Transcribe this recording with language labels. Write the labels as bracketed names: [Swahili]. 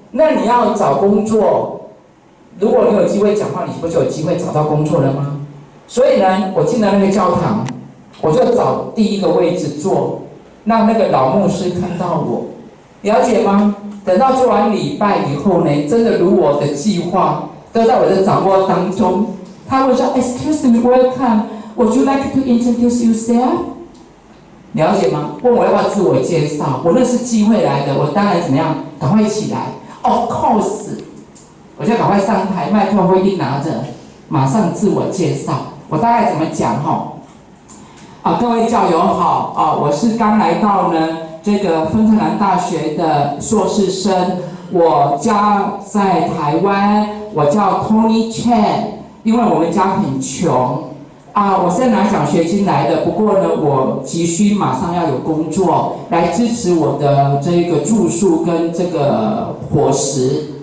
[Chinese] 那你要找工作，如果你有机会讲话，你是不是有机会找到工作了吗？所以呢，我进了那个教堂，我就找第一个位置坐，让那个老牧师看到我，了解吗？等到做完礼拜以后呢，真的如我的计划，都在我的掌握当中。他会说 [English] ：“Excuse me, welcome. Would you like to introduce yourself？” [Chinese] 了解吗？问我要不要自我介绍？我那是机会来的，我当然怎么样？赶快起来 ！ [English] Of course， [Chinese] 我就赶快上台，麦克风一拿着，马上自我介绍。我大概怎么讲？各位教友好，我是刚来到呢这个芬特兰大学的硕士生，我家在台湾，我叫 Tony Chan， 因为我们家很穷啊，我是拿奖学金来的，不过呢我急需马上要有工作来支持我的这个住宿跟这个伙食。